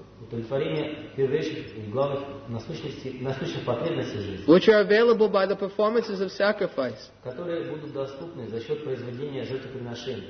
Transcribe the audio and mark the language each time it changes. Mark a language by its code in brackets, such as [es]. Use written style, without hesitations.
[ru] удовлетворение первейших главных насущностей, насущных потребностей жизни, [en] which are available by the performances of sacrifice, [ru] которые будут доступны за счет производения жертвоприношений.